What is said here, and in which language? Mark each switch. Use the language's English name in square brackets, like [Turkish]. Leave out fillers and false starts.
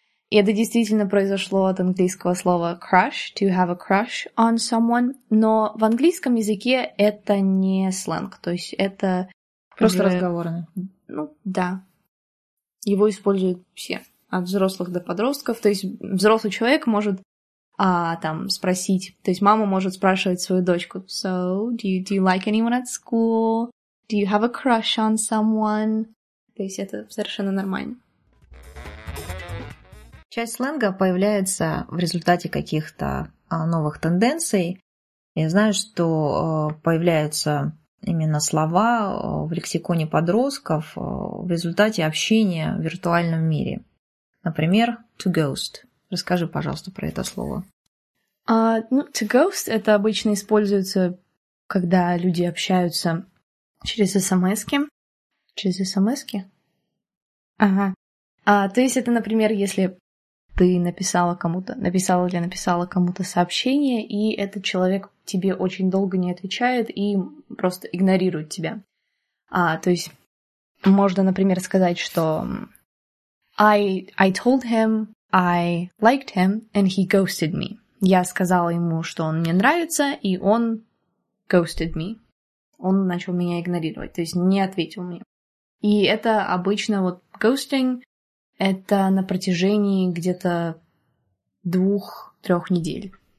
[Russian] И это действительно произошло от английского слова crush, [English] to have a crush on someone, [Russian] но в английском языке это не сленг, то есть это... Просто разговорно. Ну, да. Его используют все, от взрослых до подростков. То есть взрослый человек может там спросить, то есть мама может спрашивать свою дочку: [English] «So, do you like anyone at school? Do you have a crush on someone?» [Russian] То есть это совершенно нормально. Часть сленга появляется в результате каких-то новых тенденций. Я знаю, что появляются... Именно слова в лексиконе подростков в результате общения в виртуальном мире. Например, to ghost. Расскажи, пожалуйста, про это слово. Ну, to ghost — это обычно используется, когда люди общаются через смс-ки. Через смс-ки? Ага. То есть это, например, если ты написала кому-то, написала кому-то сообщение, и этот человек тебе очень долго не отвечает и просто игнорирует тебя. То есть можно, например, сказать, что [English] I told him I liked him and he ghosted me. [Russian] Я сказала ему, что он мне нравится, и он [English] ghosted me. [Russian] Он начал меня игнорировать, то есть не ответил мне. И это обычно вот ghosting, это на протяжении где-то 2-3 недель.